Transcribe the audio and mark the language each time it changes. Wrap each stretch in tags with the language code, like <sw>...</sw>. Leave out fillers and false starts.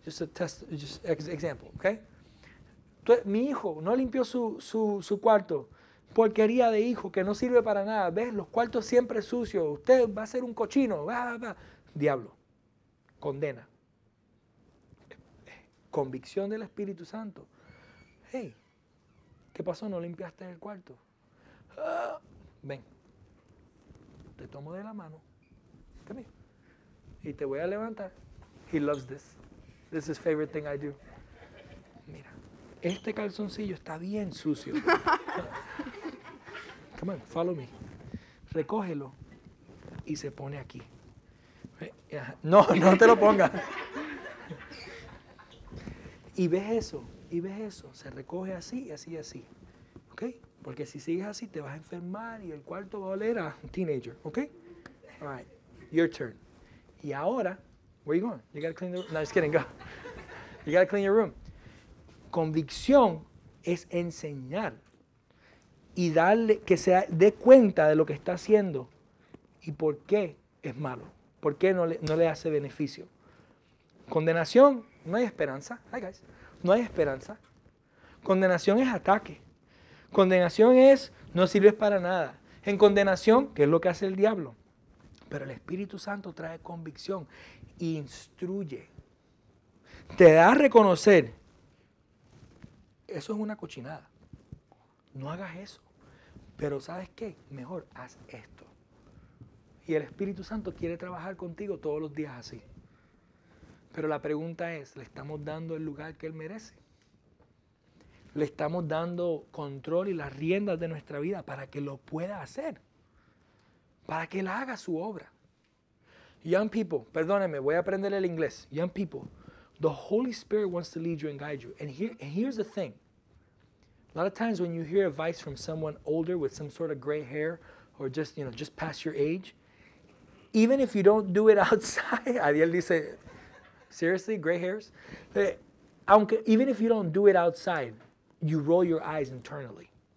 <en>Just a test, just example, okay?</en> <es>Entonces, mi hijo no limpió su cuarto. Porquería de hijo que no sirve para nada. Ves, los cuartos siempre sucios. Usted va a ser un cochino. Diablo. Condena. Convicción del Espíritu Santo. Hey, ¿qué pasó? ¿No limpiaste el cuarto? Ven, te tomo de la mano,</es> <en>come here,</en> <es>y te voy a levantar.</es> <en>He loves this. This is his favorite thing I do.</en> <es>Mira, este calzoncillo está bien sucio.</es> <en>Come on, follow me.</en> <es>Recógelo y se pone aquí. No, no te lo pongas. Y ves eso, y ves eso. Se recoge así, así, así. ¿Ok? Porque si sigues así, te vas a enfermar y el cuarto va a oler a un teenager.</es> <en>¿Ok? All right, your turn.</en> <es>Y ahora,</es> <en>where are you going? You gotta clean the room. No, just kidding, go. You gotta clean your room.</en> <es>Convicción es enseñar y darle, que se dé cuenta de lo que está haciendo y por qué es malo. ¿Por qué no le hace beneficio? Condenación. No hay esperanza.</es> <en>Hi, guys.</en> <es>No hay esperanza. Condenación es ataque. Condenación es no sirves para nada. En condenación, ¿qué es lo que hace el diablo? Pero el Espíritu Santo trae convicción. Instruye. Te da a reconocer. Eso es una cochinada. No hagas eso. Pero ¿sabes qué? Mejor haz esto. Y el Espíritu Santo quiere trabajar contigo todos los días así. Pero la pregunta es, ¿le estamos dando el lugar que él merece? ¿Le estamos dando control y las riendas de nuestra vida para que lo pueda hacer? Para que él haga su obra.</es> <en>Young people,</en> <es>perdóneme, voy a aprender el inglés.</es> <en>Young people, the Holy Spirit wants to lead you and guide you. And here's the thing. A lot of times when you hear advice from someone older with some sort of gray hair or just, you know, just past your age, even if you don't do it outside, Adiel dice... Seriously, gray hairs? Even if you don't do it outside, you roll your eyes internally.</en>